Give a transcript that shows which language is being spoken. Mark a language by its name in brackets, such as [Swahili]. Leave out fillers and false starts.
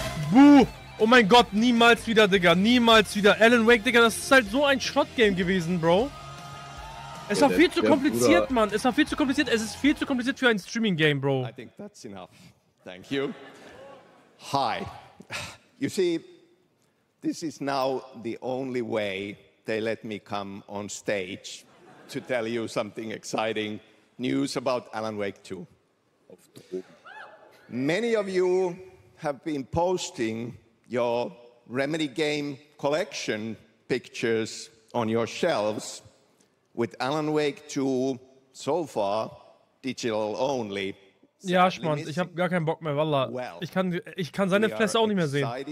[German] Boo! Oh mein Gott, niemals wieder, Digga, niemals wieder. Alan Wake, Digga, das ist halt so ein Schrottgame gewesen, Bro. Es war viel zu kompliziert, Mann. Es war viel zu kompliziert. Es ist viel zu kompliziert für ein Streaming-Game, Bro. [English] I think that's enough. Thank you. Hi. You see, this is now the only way they let me come on stage to tell you something exciting news about Alan Wake 2. Many of you have been posting your Remedy game collection pictures on your shelves with Alan Wake 2 so far digital only. [German] Ja, Schmanz, ich hab gar keinen Bock mehr, Wallah. Ich kann seine Fresse auch nicht mehr sehen.